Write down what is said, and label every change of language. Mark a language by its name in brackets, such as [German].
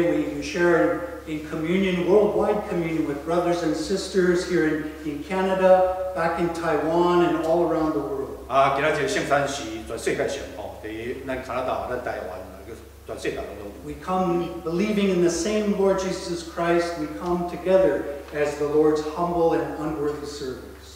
[English] we share in communion, worldwide communion with brothers and sisters here in Canada, back in Taiwan, and all around the world. [Min Nan Chinese] 今仔日圣餐是全世界上，伫咱加拿大、咱台湾，全世界当中。We [English] come believing in the same Lord Jesus Christ. We come together as the Lord's humble and unworthy servant.